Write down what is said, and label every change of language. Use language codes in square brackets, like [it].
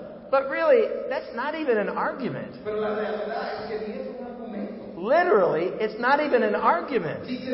[en] But really, that's not even an argument. [es] Pero la realidad es que ni es un argumento. [en] Literally, it's not even an argument.